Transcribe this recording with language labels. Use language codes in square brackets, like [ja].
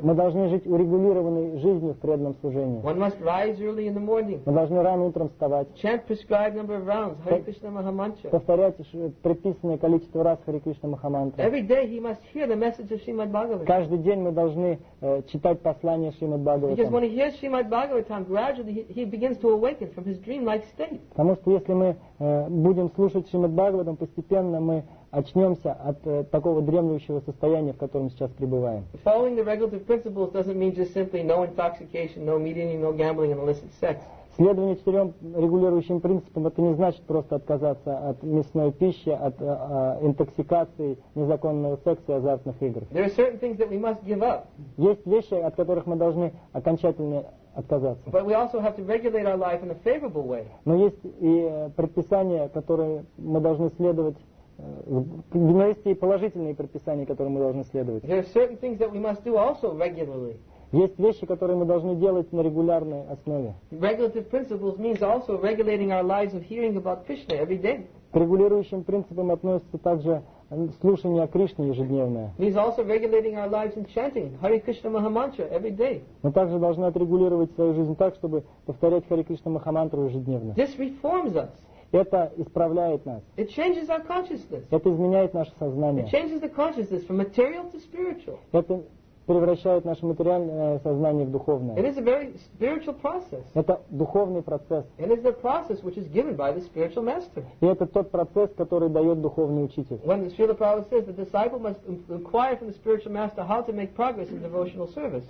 [ru] Мы должны жить урегулированной жизнью в преданном служении. [en] One must rise early in the morning. [ru] Мы должны рано утром вставать. [en] Chant prescribed number of rounds, Hare Krishna Mahamantra. [ru] Повторять предписанное количество раз Hare Krishna Mahamantra. [en] Every day he must hear the message of Srimad Bhagavatam. [ru] Каждый день мы должны читать послание Шримад Бхагаватам. [en] Because when he hears Srimad Bhagavatam, gradually he begins to awaken from his dreamlike state. [ru] Потому что если мы будем слушать Шримад Бхагаватам, постепенно мы очнемся от такого дремлющего состояния, в котором сейчас пребываем. [en] Following the regulative principles doesn't mean just simply no intoxication, no meat-eating, no gambling, and illicit sex. [ru] Следование четырем регулирующим принципам это не значит просто отказаться от мясной пищи, от интоксикации, незаконного секса и азартных игр. [en] There are certain things that we must give up. [ru] Есть вещи, от которых мы должны окончательно отказаться. [en] But we also have to regulate our life in a favorable way. [ru] Но есть и предписания, которые мы должны следовать. Но есть и положительные предписания, которым мы должны следовать. [en] There are certain things that we must do also regularly. [ru] Есть вещи, которые мы должны делать на регулярной основе. [en] Regulative principles means also regulating our lives of hearing about Krishna every day. [ru] К регулирующим принципам относится также слушание Кришны ежедневное. [en] He's also regulating our lives in chanting Hare Krishna Maha Mantra every day. [ru] Мы также должны отрегулировать свою жизнь так, чтобы повторять Hare Krishna Maha Mantra ежедневно. [en] This reforms us. [ru] Это исправляет нас. [en] It changes our consciousness. [ru] Это изменяет наше сознание. [en] It changes the consciousness from material to spiritual. [ru] Это превращает наше материальное сознание в духовное. [en] It is a very spiritual process. [ru] Это духовный процесс. [en] It is the process which is given by the spiritual master. [ru] И это тот процесс, который дает духовный учитель. [en] When Srila Prabhupada says the disciple must inquire from the spiritual master how to make progress in devotional service.